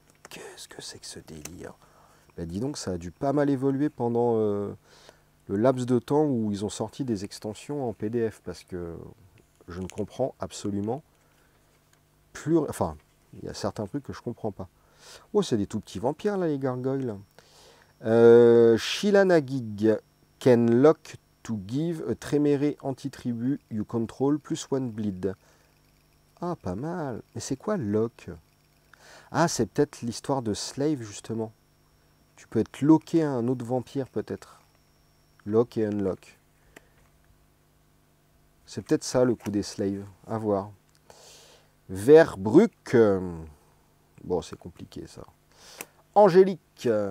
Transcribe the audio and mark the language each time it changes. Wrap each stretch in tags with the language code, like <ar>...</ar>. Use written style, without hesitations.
<fr>Qu'est-ce que c'est que ce délire? Ben dis donc, ça a dû pas mal évoluer pendant le laps de temps où ils ont sorti des extensions en PDF parce que je ne comprends absolument plus. Enfin, il y a certains trucs que je comprends pas. Oh, c'est des tout petits vampires là, les gargouilles.</fr> <en>Shilanagig can lock to give a Tréméré anti-tribu you control plus one bleed.</en> <fr>Ah, pas mal. Mais c'est quoi lock? Ah, c'est peut-être l'histoire de slave justement. Tu peux être locké à un autre vampire peut-être. Lock et unlock. C'est peut-être ça le coup des slaves. À voir. Verbruck. Bon, c'est compliqué ça. Angélique.</fr>